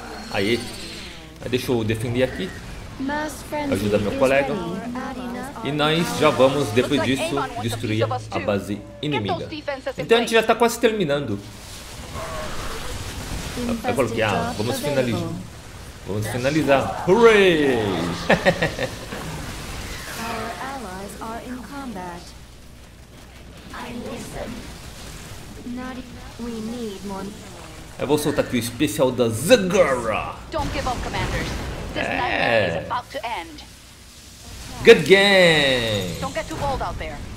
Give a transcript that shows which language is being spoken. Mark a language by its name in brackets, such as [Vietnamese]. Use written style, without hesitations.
[Portuguese] Aí, deixa eu defender aqui. Ajuda meu colega. E nós já vamos, depois disso, destruir a base inimiga. Então a gente já está quase terminando. Eu coloquei, ah, vamos finalizar. Vamos finalizar. Hooray! [English] Our allies are in combat. I listen. Not even. We need more. [Portuguese] Eu vou soltar aqui o especial da Zagara. [English] Don't give up, commanders. This nightmare is about to end. Good game! Don't get too bold out there.